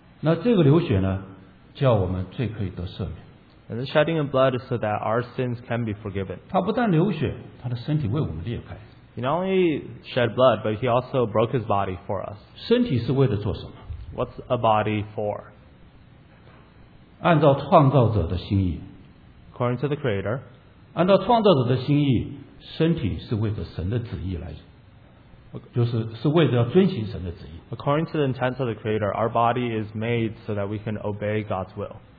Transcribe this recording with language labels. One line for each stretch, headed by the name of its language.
Chinese: 那这个流血呢，叫我们罪可以得赦免。
English: And the shedding of blood is so that our sins can be forgiven.
Chinese: 他不但流血，他的身体为我们裂开。
English: He not only shed blood, but he also broke his body for us.
Chinese: 身体是为了做什么?
English: What's a body for?
Chinese: 按照创造者的心意,
English: according to the Creator,
Chinese: 按照创造者的心意, 身体是为着神的旨意来, 就是为着遵循神的旨意。
English: According to the intent of the Creator, our body is made so that we can obey God's will.